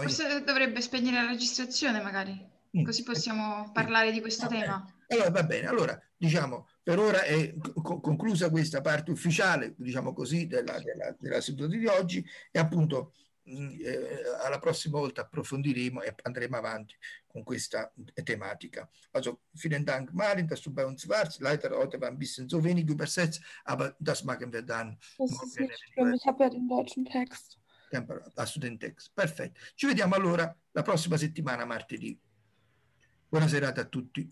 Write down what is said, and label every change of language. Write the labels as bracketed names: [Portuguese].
[Italian] Questo dovrebbe spegnere la registrazione, magari, così possiamo parlare di questo tema. Allora, va bene, allora, diciamo, per ora è conclusa questa parte ufficiale, diciamo così, della seduta di oggi, e appunto alla prossima volta approfondiremo e andremo avanti con questa tematica. [German] Also, vielen Dank, Marin, dass du bei uns warst. Leider heute war ein bisschen so wenig übersetzt, aber das machen wir dann. Ich habe ja den deutschen Text. Hast du den Text? [Italian] Perfetto. Ci vediamo allora la prossima settimana, martedì. Buona serata a tutti.